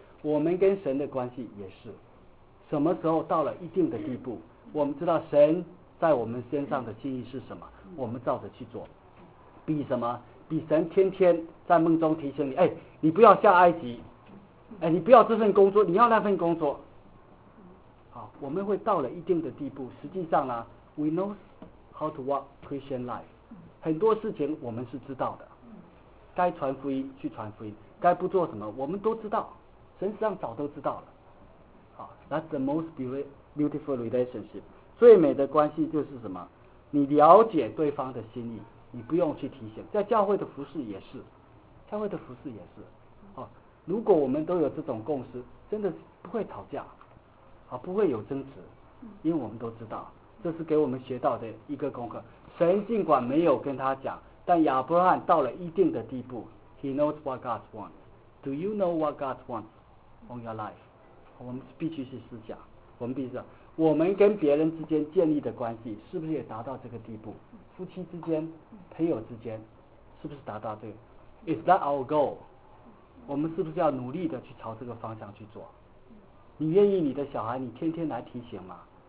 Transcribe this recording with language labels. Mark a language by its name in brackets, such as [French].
[Chinese] 我们跟神的关系也是，什么时候到了一定的地步，我们知道神在我们身上的心意是什么，我们照着去做。比什么？比神天天在梦中提醒你，哎，你不要下埃及，哎，你不要这份工作，你要那份工作。好，我们会到了一定的地步。实际上呢， [English] we know how to walk Christian life. [Chinese] 很多事情我们是知道的，该传福音去传福音，该不做什么我们都知道，神实际上早都知道了。 [English] That's the most beautiful relationship. [Chinese] 最美的关系就是什么？你了解对方的心意，你不用去提醒。在教会的服事也是，教会的服事也是，如果我们都有这种共识，真的不会吵架，不会有争执，因为我们都知道。这是给我们学到的一个功课。神尽管没有跟他讲，但亚伯拉罕到了一定的地步， [English] He knows what God wants. Do you know what God wants on your life? [Chinese] 我们必须去思想，我们必须，我们跟别人之间建立的关系是不是也达到这个地步？夫妻之间、朋友之间，是不是达到这个？ [English] Is that our goal? [Chinese] 我们是不是要努力的去朝这个方向去做？你愿意你的小孩你天天来提醒吗？